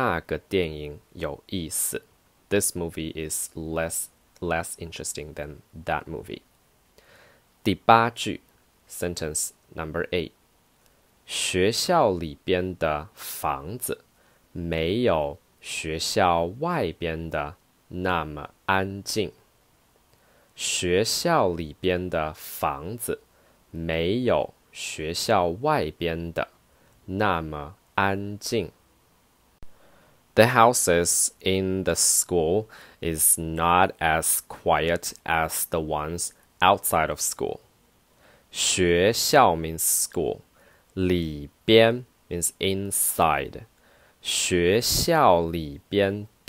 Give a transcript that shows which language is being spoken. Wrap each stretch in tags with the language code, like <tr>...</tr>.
<zh>这个电影没有那个电影有意思.</zh> <en>This movie is less interesting than that movie.</en> <zh>第八句,</zh> <en>sentence number 8.</en> <zh>学校里边的房子没有学校外边的那么安静. 学校里边的房子没有学校外边的那么安静.</zh> <en>The houses in the school is not as quiet as the ones outside of school. 学校 means school. 里边 means inside.</en> <zh>学校里边的</zh>